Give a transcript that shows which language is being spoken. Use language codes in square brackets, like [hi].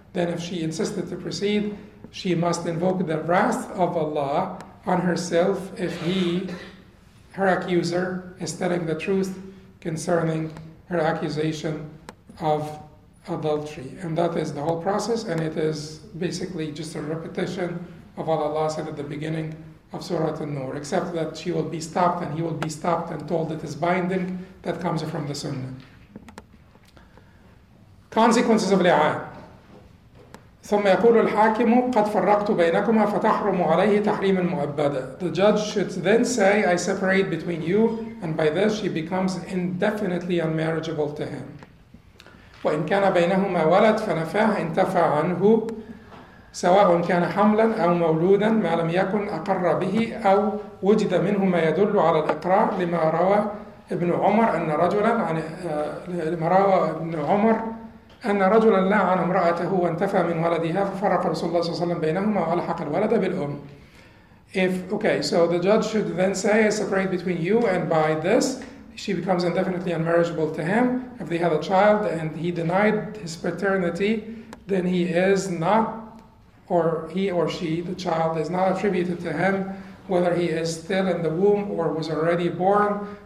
[en] Then if she insisted to proceed, she must invoke the wrath of Allah on herself if he, her accuser, is telling the truth concerning her accusation of adultery. And that is the whole process, and it is basically just a repetition of what Allah said at the beginning of Surah An-Nur, except that she will be stopped and he will be stopped and told it is binding. That comes from the Sunnah. Consequences of li'an. [ar] ثم يقول الحاكم قد فرقت بينكما فتحرم عليه تحريما مؤبدا. [en] The judge should then say, I separate between you, and by this she becomes indefinitely unmarriageable to him. [ar] وإن كان بينهما ولد فنفاه انتفى عنه سواء كان حملا أو مولودا ما لم يكن أقر به أو وجد منه ما يدل على الإقرار لما روى ابن عمر أن رجلا عن لما روى ابن عمر أن رجلا لعن امرأته وانتفى من ولدها ففرق رسول الله صلى الله عليه وسلم بينهما وألحق الولد بالأم. [en] So the judge should then say, I separate between you, and by this she becomes indefinitely unmarriageable to him. If they had a child and he denied his paternity, then he is not, or he or she, the child is not attributed to him, whether he is still in the womb or was already born.